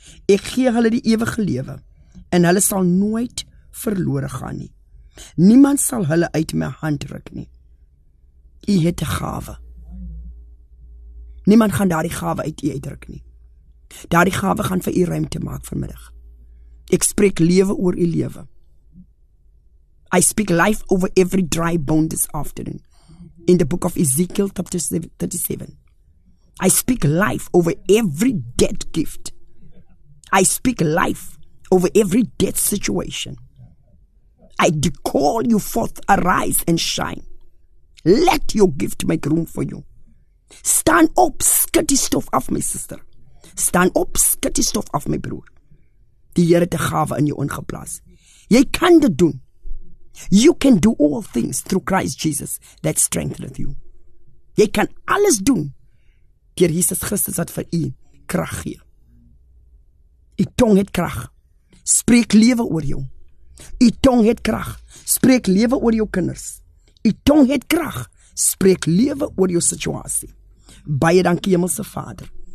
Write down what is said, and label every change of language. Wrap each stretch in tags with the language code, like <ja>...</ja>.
<af>Ek gee hulle die ewige lewe en hulle sal nooit verlore gaan nie. Niemand sal hulle uit my hand ruk nie. U het 'n gawe. Niemand gaan daardie gawe uit u uitruk nie. Daardie gawe gaan vir u ruimte maak vanmiddag. Ek spreek lewe oor u lewe.</af> <en>I speak life over every dry bone this afternoon. In the book of Ezekiel chapter 37. I speak life over every dead gift. I speak life over every dead situation. I call you forth, arise and shine. Let your gift make room for you. Stand up,</en> <af>skit die stof af,</af> <en>my sister. Stand up,</en> <af>skit die stof af, my broer. Die Here het 'n gawe in jou ingeplaas. Jy kan dit doen.</af> <en>You can do all things through Christ Jesus that strengtheneth you.</en> <af>Jy kan alles doen deur Jesus Christus wat vir u krag gee. U tong het krag. Spreek lewe oor jou. U tong het krag. Spreek lewe oor jou kinders. U tong het krag. Spreek lewe oor jou situasie. Baie dankie Hemelse Vader.</af>